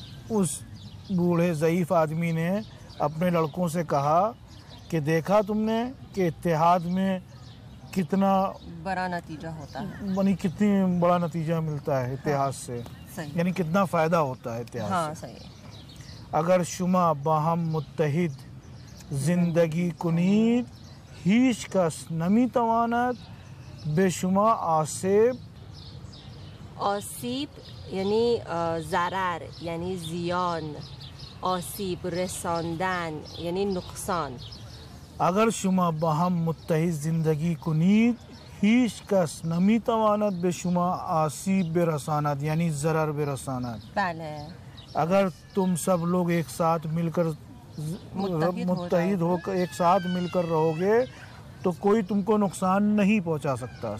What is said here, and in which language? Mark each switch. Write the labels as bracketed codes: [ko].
[ur] اس بوڑھے ضعیف آدمی نے اپنے لڑکوں سے کہا کہ دیکھا تم نے کہ اتحاد میں کتنا بڑا نتیجہ ہوتا ہے، یعنی کتنی بڑا نتیجہ ملتا ہے اتحاد سے. صحیح. یعنی کتنا فائدہ ہوتا ہے اتحاد. ہاں سے. صحیح. [fa] اگر شما باہم متحد زندگی کنید ہیچ کس نمی توانت بے شما آسیب. [ur] آسیب یعنی ضرر، یعنی زیان. آسیب رساندن یعنی نقصان. [fa] اگر شما با هم متحد زندگی کنید هیچ کس نمی تواند به شما آسیب برساند، یعنی ضرر برساند. بله. [ur] اگر تم سب لوگ ایک ساتھ مل کر متحد ہو کر ایک ساتھ مل کر رہو گے تو کوئی تم کو نقصان نہیں پہنچا سکتا.